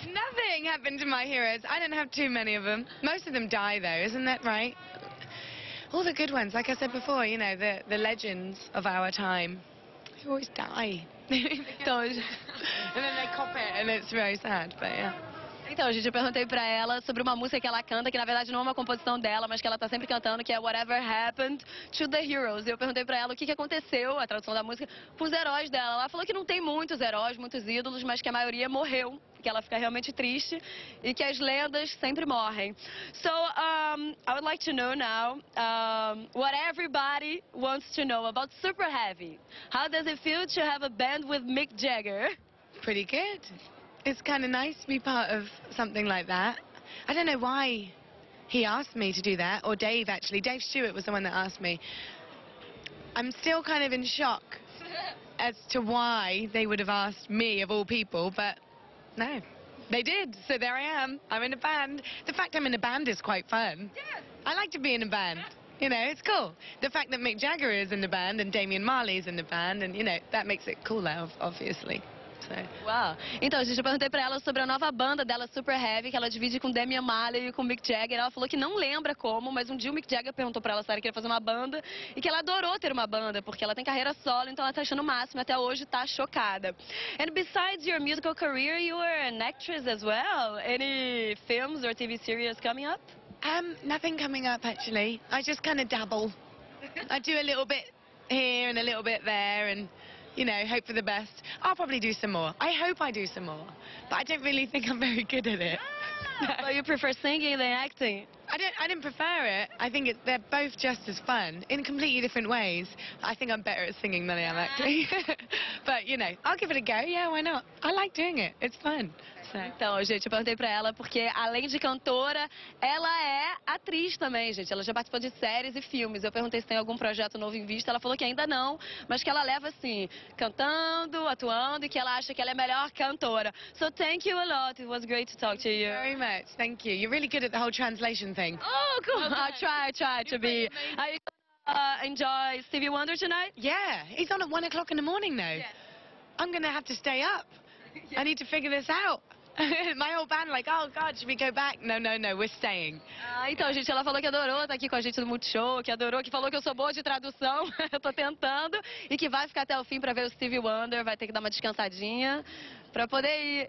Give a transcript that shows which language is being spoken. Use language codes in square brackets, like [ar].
[en] Nothing happened to my heroes. I don't have too many of them. Most of them die, though, isn't that right? All the good ones, like I said before, you know, the legends of our time, they always die. And then they cop it, and it's very sad. But yeah. [pt] Então, gente, eu perguntei pra ela sobre uma música que ela canta, que na verdade não é uma composição dela, mas que ela tá sempre cantando, que é Whatever Happened to the Heroes. E eu perguntei pra ela o que aconteceu, a tradução da música, pros heróis dela. Ela falou que não tem muitos heróis, muitos ídolos, mas que a maioria morreu, que ela fica realmente triste e que as lendas sempre morrem. [en] So, I would like to know now what everybody wants to know about SuperHeavy. How does it feel to have a band with Mick Jagger? Pretty good. It's kind of nice to be part of something like that. I don't know why he asked me to do that, or Dave actually. Dave Stewart was the one that asked me. I'm still kind of in shock as to why they would have asked me of all people, but no, they did. So there I am, I'm in a band. The fact I'm in a band is quite fun. Yeah. I like to be in a band, you know, it's cool. The fact that Mick Jagger is in the band and Damian Marley is in the band, and you know, that makes it cooler, obviously. [pt] Uau! Então, gente, eu perguntei pra ela sobre a nova banda dela, SuperHeavy, que ela divide com Damian Marley e com Mick Jagger. Ela falou que não lembra como, mas um dia o Mick Jagger perguntou pra ela se ela queria fazer uma banda e que ela adorou ter uma banda, porque ela tem carreira solo, então ela tá achando o máximo e até hoje tá chocada. [en] And besides your musical career, you are an actress as well. Any films or TV series coming up? Nothing coming up, actually. I just kind of dabble. I do a little bit here and a little bit there and... You know, hope for the best. I'll probably do some more. I hope I do some more. But I don't really think I'm very good at it. But you prefer singing than acting? I didn't prefer it. I think they're both just as fun in completely different ways. I think I'm better at singing than I am acting. But, you know, I'll give it a go. Yeah, why not? I like doing it. It's fun. [pt] Então, gente, eu perguntei pra ela porque, além de cantora, ela é atriz também, gente. Ela já participou de séries e filmes. Eu perguntei se tem algum projeto novo em vista. Ela falou que ainda não, mas que ela leva, assim, cantando, atuando e que ela acha que ela é a melhor cantora. [en] So, thank you a lot. It was great to talk to you. Very much. Thank you. You're really good at the whole translation thing. Oh, cool. Okay. I try to be. Are you gonna enjoy Stevie Wonder tonight? Yeah. He's on at 1 o'clock in the morning now. Yeah. I'm gonna have to stay up. Yeah. I need to figure this out. My whole band like, oh God, should we go back? No, we're staying. [pt] Ah, então, gente, ela falou que adorou estar aqui com a gente no Multishow, que adorou, que falou que eu sou boa de tradução. Eu tô tentando. E que vai ficar até o fim pra ver o Stevie Wonder, vai ter que dar uma descansadinha pra poder ir.